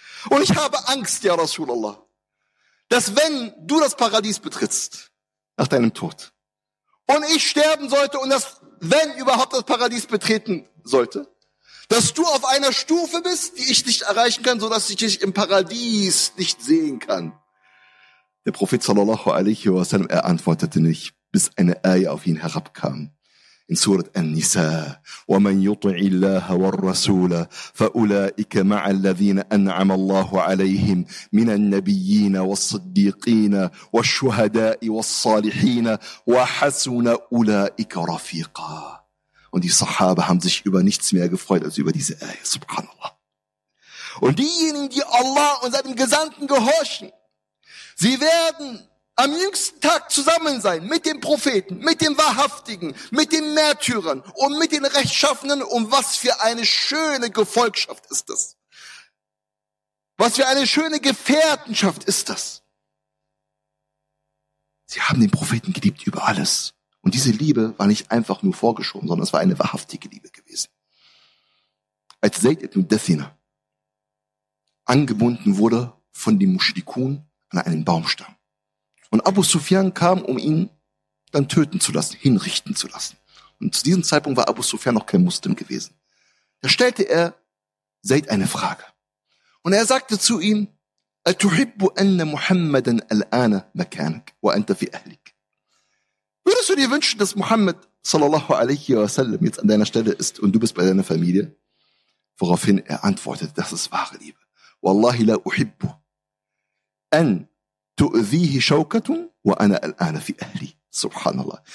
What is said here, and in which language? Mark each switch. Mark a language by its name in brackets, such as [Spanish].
[German] Und ich habe Angst, Ya Rasulallah, dass wenn du das Paradies betrittst, nach deinem Tod, und ich sterben sollte, und dass wenn überhaupt das Paradies betreten sollte, dass du auf einer Stufe bist, die ich nicht erreichen kann, sodass ich dich im Paradies nicht sehen kann. Der Prophet sallallahu alaihi wa sallam, er antwortete nicht, bis eine Ayah auf ihn herabkam. In Surat An-Nisa, [Arabic] وَمَنْ يُطْعِ اللَّهَ وَالرَّسُولَ فَأُولَٰئِكَ مَعَ الَّذِينَ أَنْعَمَ اللَّهُ عَلَيْهِمْ مِنَ النَّبِيِّينَ وَالصَّدِّيقِينَ وَالشُّهَدَاءِ وَالصَّالِحِينَ وَحَسُنَ أُولَٰئِكَ رَفِيقًا. [German] Und die Sahaba haben sich über nichts mehr gefreut als über diese Ayah. [Arabic] Subhanallah. [German] Und diejenigen, die Allah und seinem Gesandten gehorchen, sie werden am jüngsten Tag zusammen sein mit den Propheten, mit den Wahrhaftigen, mit den Märtyrern und mit den Rechtschaffenen. Und was für eine schöne Gefolgschaft ist das? Was für eine schöne Gefährtenschaft ist das? Sie haben den Propheten geliebt über alles. Und diese Liebe war nicht einfach nur vorgeschoben, sondern es war eine wahrhaftige Liebe gewesen. Als Zayd ibn Dathina angebunden wurde von den Mushrikun an einen Baumstamm. Und Abu Sufyan kam, um ihn dann töten zu lassen, hinrichten zu lassen. Und zu diesem Zeitpunkt war Abu Sufyan noch kein Muslim gewesen. Da stellte er Zayd eine Frage. Und er sagte zu ihm, [Arabic] أَتُحِبُّ أَنَّ مُحَمَّدًا الْآنَ مَكَانَكَ وَأَنْتَ فِي أَهْلِكَ. [German] Würdest du dir wünschen, dass Muhammad sallallahu alaihi wa sallam jetzt an deiner Stelle ist und du bist bei deiner Familie? Woraufhin er antwortete, das ist wahre Liebe. [Arabic] وَاللَّهِ لَا أُحِبُّ أَنْ تُؤْذِيهِ شَوْكَةٌ وَأَنَا الْآنَ فِي أَهْلِي. Subhanallah.